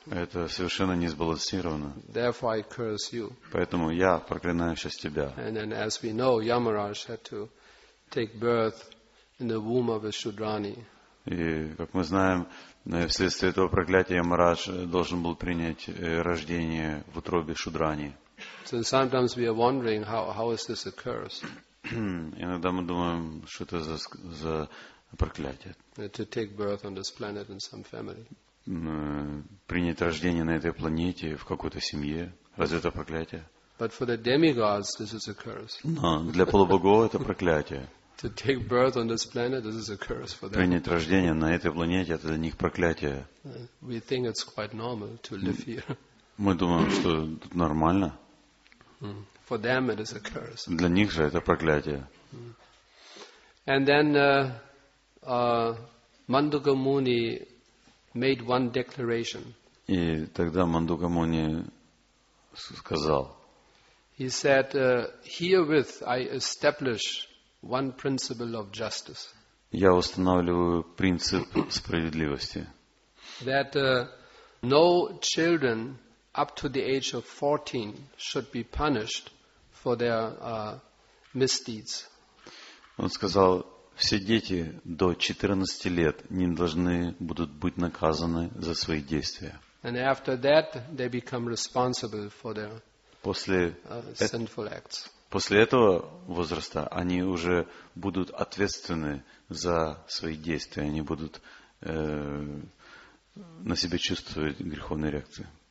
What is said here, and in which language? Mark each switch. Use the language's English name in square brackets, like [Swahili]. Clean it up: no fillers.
[Russian] Это совершенно не сбалансировано. [English] Therefore I curse you. [Russian] Поэтому я проклинаю сейчас тебя. [English] And then, as we know, Yamaraj had to take birth in the womb of a Shudrani. [Russian] И, как мы знаем, вследствие этого проклятия Ямарадж должен был принять рождение в утробе Шудрани. [English] So sometimes we are wondering how is this a curse? [Russian] Иногда мы думаем, что это за проклятие. [English] To take birth on this planet in some family. [Russian] Принять рождение на этой планете в какой-то семье. Разве это проклятие? [English] But for the demigods this is a curse. [Russian] Но для полубогов это проклятие. [English] To take birth on this planet, this is a curse for them. [Russian] Принять рождение на этой планете – это для них проклятие. [English] We think it's quite normal to live here. [Russian] Мы думаем, что тут нормально. [English] For them, it is a curse. [Russian] Для них же это проклятие. [English] And then Mandaka Muni made one declaration. [Russian] И тогда Мандака Муни сказал. [English] He said, "Herewith I establish one principle of justice." [Russian] Я устанавливаю принцип справедливости. [English] That no children up to the age of 14 should be punished for their misdeeds. [Russian] Он сказал, все дети до 14 лет не должны будут быть наказаны за свои действия. [English] And after that, they become responsible for their sinful acts. [Russian] После этого возраста они уже будут ответственны за свои действия, они будут на себе чувствовать греховные реакции.